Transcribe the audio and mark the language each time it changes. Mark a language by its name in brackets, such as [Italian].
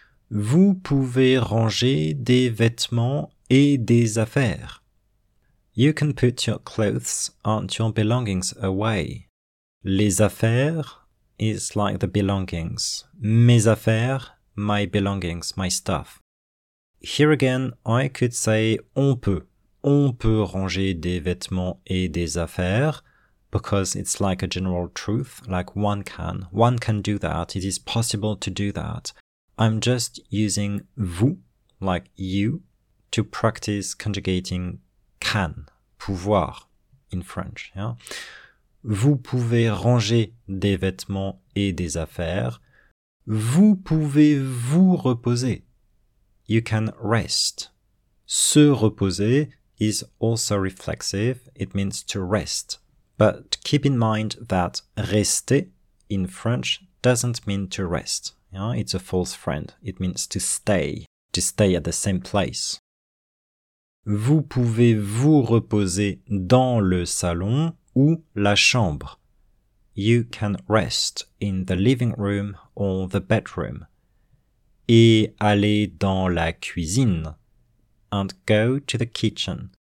[French] Vous pouvez ranger des vêtements et des affaires. [English] You can put your clothes and your belongings away. [French] Les affaires [English] is like the belongings. [French] Mes affaires, [English] my belongings, my stuff. Here again, I could say [French] on peut. On peut ranger des vêtements et des affaires. [English] Because it's like a general truth, like one can do that, it is possible to do that. I'm just using vous, like you, to practice conjugating can, pouvoir, in French. Yeah? [French] Vous pouvez ranger des vêtements et des affaires. Vous pouvez vous reposer. [English] You can rest. [French] Se reposer [English] is also reflexive, it means to rest. But keep in mind that rester in French doesn't mean to rest. You know, it's a false friend. It means to stay at the same place. [French] Vous pouvez vous reposer dans le salon ou la chambre. [English] You can rest in the living room or the bedroom. [French] Et aller dans la cuisine. [English] And go to the kitchen.